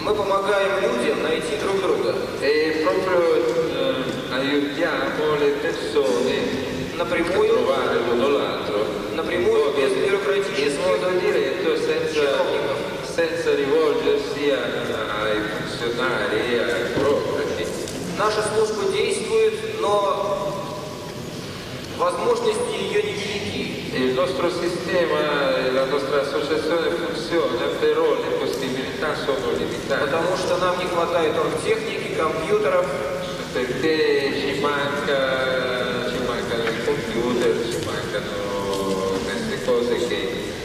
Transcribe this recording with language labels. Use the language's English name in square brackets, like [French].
[Russian] Мы помогаем людям найти друг друга. [Italian] E proprio aiutiamo le persone [Russian] напрямую, [Italian] a trovare l'uno l'altro. [Russian] Напрямую, без бюрократических. [Italian] In modo diretto, senza rivolgersi ai funzionari, ai burocrati. [Russian] Наша служба действует, но возможности ее невелики. [Italian] Il nostro sistema, la nostra associazione funziona, però le possibilità sono limitate. [Russian] Потому что нам не хватает техники, компьютеров. [Italian] Perché ci mancano i computer, ci mancano queste cose che